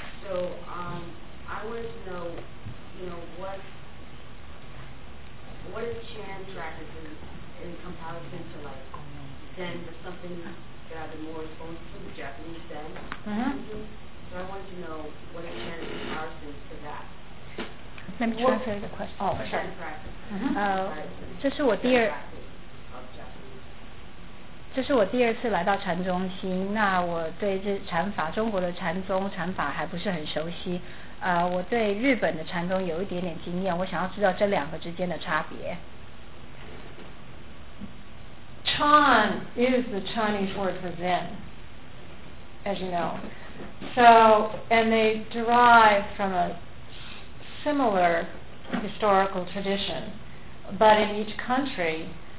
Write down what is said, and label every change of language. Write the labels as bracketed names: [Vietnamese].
[English] So, I wanted to know, you know, what is chant practice in comparison to, like, Zen or something that I've been more exposed to, the Japanese Zen? Mm-hmm. So I wanted to know what is chant in comparison to that. Let me translate the question. Oh, sure. Chant practice. [Chinese] Oh, 这是我第二这是我第二次来到禅中心，那我对这禅法，中国的禅宗禅法还不是很熟悉，我对日本的禅宗有一点点经验，我想要知道这两个之间的差别。 [English] Chan is the Chinese word for Zen, as you know. So, and they derive from a similar historical tradition, but in each country.